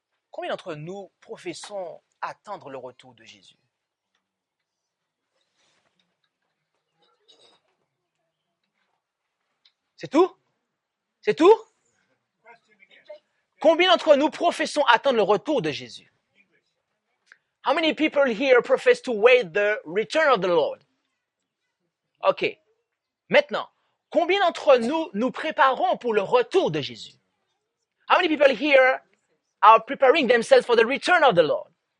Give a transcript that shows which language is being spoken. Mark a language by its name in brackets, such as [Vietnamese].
[French] Combien d'entre nous professons attendre le retour de Jésus? C'est tout? C'est tout? Combien d'entre nous professons attendre le retour de Jésus? [English] How many people here profess to wait the return of the Lord? OK. [French] Maintenant, combien d'entre nous nous préparons pour le retour de Jésus? [English] How many people here are preparing themselves for the return of the Lord?